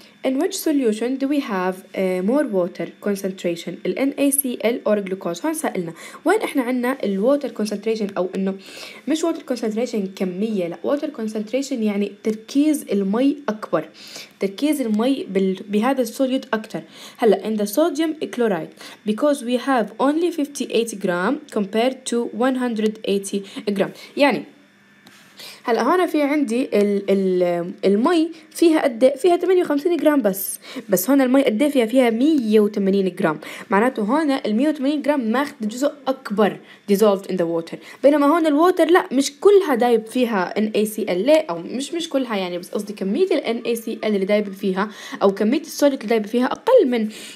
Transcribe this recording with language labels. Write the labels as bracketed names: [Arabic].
[English] In which solution do we have more water concentration, NaCl or glucose؟ [Arabic] هون سألنا وين إحنا عنا الwater concentration، أو إنه مش water concentration كمية، لا water concentration يعني تركيز المي أكبر، تركيز المي بهذا السوليوت أكتر. [English] هلا in the sodium chloride because we have only 58 gram compared to 180 gram. [Arabic] يعني هلا هنا في عندي المي فيها قد فيها 58 جرام بس، بس هنا المي قد فيها 180 جرام، معناته هنا ال 180 جرام ماخذ جزء اكبر [English] dissolved in the water، [Arabic] بينما هون الووتر لا مش كلها دايب فيها NaCl، او مش كلها يعني، بس قصدي كميه ال NaCl اللي دايب فيها او كميه السوليت اللي دايب فيها اقل من